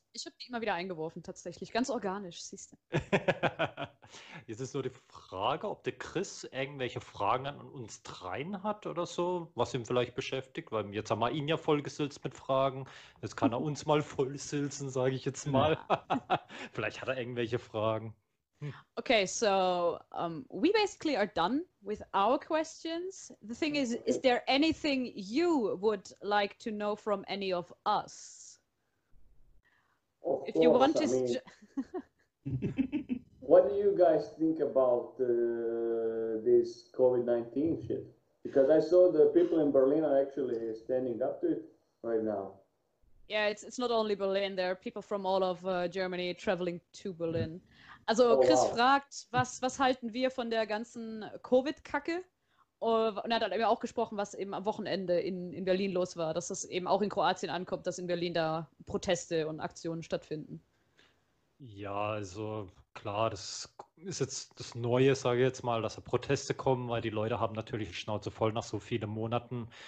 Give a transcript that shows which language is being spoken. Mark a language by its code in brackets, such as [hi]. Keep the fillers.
[de] Ich habe die immer wieder eingeworfen, tatsächlich. Ganz organisch, siehst du. jetzt ist nur die Frage, ob der Chris irgendwelche Fragen an uns dreien hat oder so, was ihn vielleicht beschäftigt, weil jetzt haben wir ihn ja vollgesilzt mit Fragen. Jetzt kann er uns mal vollsilzen, sage ich jetzt mal. Ja. vielleicht hat er irgendwelche Fragen. [en] okay so um, we basically are done with our questions the thing is okay. is there anything you would like to know from any of us of if course, you want to I mean, what do you guys think about uh, this covid-19 shit because i saw the people in berlin are actually standing up to it right now yeah it's, it's not only berlin there are people from all of uh, germany traveling to berlin mm -hmm. [de] Also Chris oh. fragt, was, was halten wir von der ganzen Covid-Kacke? Und er hat eben auch gesprochen, was eben am Wochenende in, in Berlin los war, dass das eben auch in Kroatien ankommt, dass in Berlin da Proteste und Aktionen stattfinden. Ja, also klar, das ist jetzt das Neue, sage ich jetzt mal, dass da Proteste kommen, weil die Leute haben natürlich die Schnauze voll nach so vielen Monaten.